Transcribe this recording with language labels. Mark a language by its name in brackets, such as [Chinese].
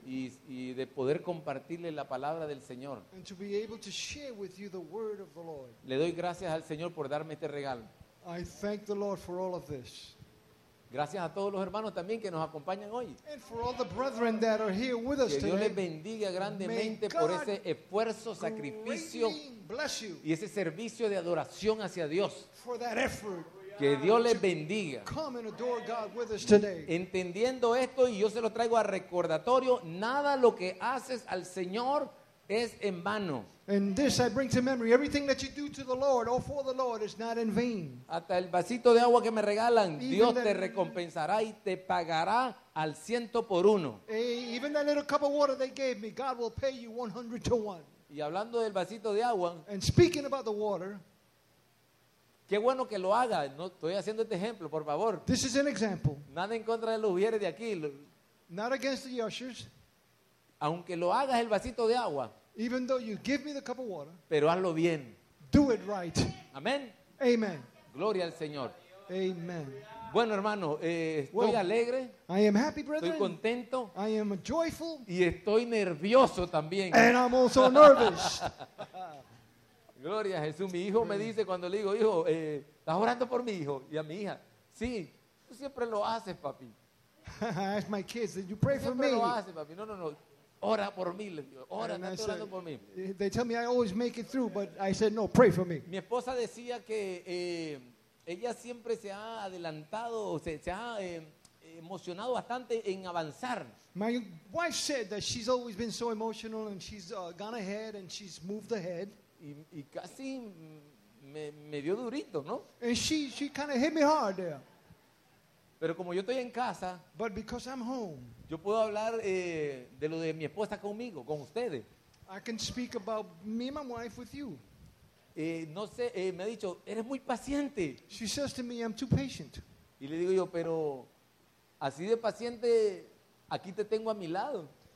[Spanish] Y de poder compartirle la palabra del Señor. [English] And to be able to share with you the word of the Lord. [Spanish] Le doy gracias al Señor por darme este regalo. [English] I thank the Lord for all of this. [Spanish] Gracias a todos los hermanos también que nos acompañan hoy. [English] And for all the brethren that are here with us today. [Spanish] Que Dios les bendiga grandemente por ese esfuerzo, sacrificio y ese servicio de adoración hacia Dios. [English] For that effort. [Spanish] Que Dios les bendiga. [English] Come and adore God with us today. [Spanish] Entendiendo esto, y yo se lo traigo a recordatorio, nada lo que haces al Señor es en vano. [English] And this I bring to memory. Everything that you do to the Lord or for the Lord is not in vain. [Spanish] Hasta el vasito de agua que me regalan, even Dios te recompensará y te pagará al ciento por uno. [English] Even that little cup of water they gave me, God will pay you 100 to 1. [Spanish] Y hablando del vasito de agua, [English] and speaking about the water, [Spanish] qué bueno que lo haga. No, estoy haciendo este ejemplo, por favor. [English] This is an example. [Spanish] Nada en contra de los ujieres de aquí. [English] Not against the ushers. [Spanish] Aunque lo hagas el vasito de agua. [English] Even though you give me the cup of water. [Spanish] Pero hazlo bien. [English] Do it right. [Spanish] Amén. [English] Amen. [Spanish] Gloria al Señor. [English] Amen. [Spanish] Bueno, hermano, estoy alegre. [English] I am happy, brethren. [Spanish] Estoy contento. [English] I am joyful. [Spanish] Y estoy nervioso también. [English] And I'm also nervous. [Spanish] Gloria a Jesús. Mi hijo me dice cuando le digo, hijo, ¿estás orando por mi hijo y a mi hija? Sí, tú siempre lo haces, papi. [English] I ask my kids, did you pray for me? [Spanish] Siempre lo haces, papi. No, no, no. Ora por mí, ora, está orando por mí. [English] They tell me I always make it through, but I said no, pray for me. [Spanish] Mi esposa decía que ella siempre se ha adelantado, se ha emocionado bastante en avanzar. [English] My wife said that she's always been so emotional and she's gone ahead and she's moved ahead. [Spanish] Y casi me dio durito, ¿no? [English] And she kind of hit me hard there. [Spanish] Pero como yo estoy en casa, [English] but because I'm home, [Spanish] yo puedo hablar de lo de mi esposa conmigo, con ustedes. [English] I can speak about me and my wife with you. [Spanish] No sé, me ha dicho, eres muy paciente. [English] She says to me, I'm too patient. [Spanish] Y le digo yo, pero así de paciente, aquí te tengo a mi lado.